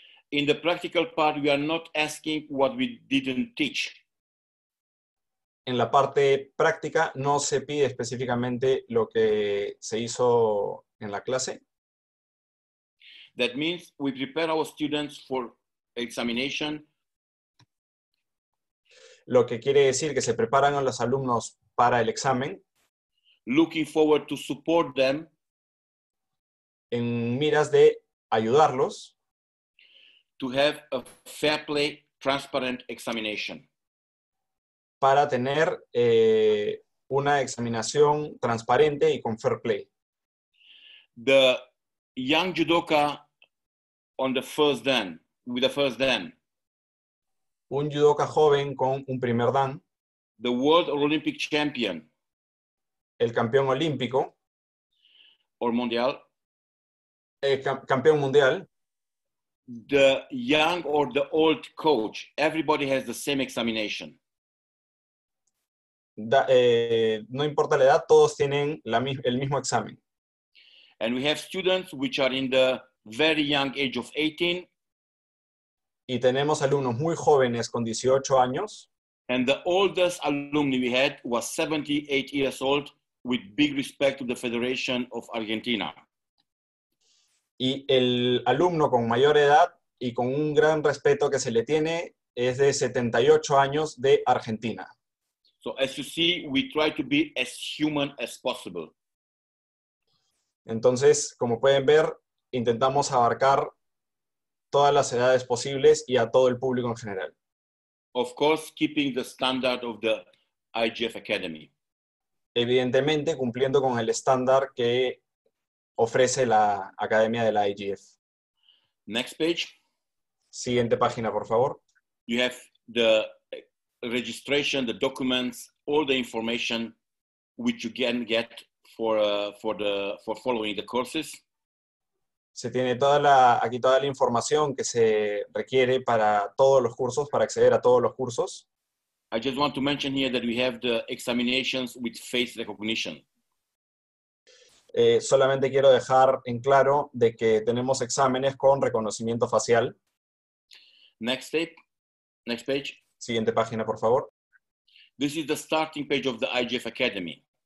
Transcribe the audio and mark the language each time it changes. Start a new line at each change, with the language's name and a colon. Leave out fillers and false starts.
English: In the practical part, we are not asking what we didn't teach.
Spanish: En la parte práctica, no se pide específicamente lo que se hizo en la clase.
English: That means we prepare our students for examination.
Spanish: Lo que quiere decir que se preparan a los alumnos para el examen.
English: Looking forward to support them.
Spanish: En miras de ayudarlos.
English: To have a fair play, transparent examination.
Spanish: Para tener una examinación transparente y con fair play.
English: The young judoka on the first dan, with the first dan.
Spanish: Un judoka joven con un primer dan.
English: The world Olympic champion.
Spanish: El campeón olímpico. Or mundial. Campeón mundial.
English: The young or the old coach. Everybody has the same examination.
Spanish: No importa la edad, todos tienen el mismo examen.
English: And we have students which are in the very young age of 18.
Spanish: Y tenemos alumnos muy jóvenes con 18 años.
English: And the oldest alumni we had was 78 years old, with big respect to the Federation of Argentina.
Spanish: Y el alumno con mayor edad y con un gran respeto que se le tiene es de 78 años de Argentina.
English: So as you see, we try to be as human as possible.
Spanish: Entonces, como pueden ver, intentamos abarcar todas las edades posibles y a todo el público en general.
English: Of course, keeping the standard of the IGF Academy.
Spanish: Evidentemente, cumpliendo con el estándar que ofrece la Academia de la IGF.
English: Next page.
Spanish: Siguiente página, por favor.
English: You have the registration, the documents, all the information which you can get for following the courses.
Spanish: Se tiene toda la información que se requiere para todos los cursos, para acceder a todos los cursos.
English: I just want to mention here that we have the examinations with face recognition.
Spanish: Solamente quiero dejar en claro de que tenemos exámenes con reconocimiento facial.
English: Next step. Next page.
Spanish: Siguiente página, por favor.
English: This is the starting page of the IGF Academy.